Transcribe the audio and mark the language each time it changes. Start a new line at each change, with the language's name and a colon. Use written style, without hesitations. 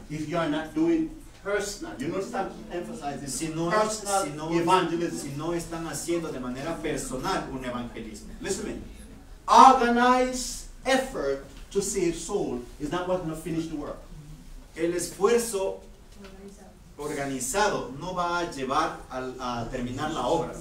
English: If you are not doing personal, you don't stop emphasizing
Spanish: si no
English: evangelism.
Spanish: Si no están haciendo de manera personal un evangelismo.
English: Listen to me. Organized effort to save soul is not what's going to finish the work.
Spanish: El esfuerzo organizado no va a llevar a terminar la obra.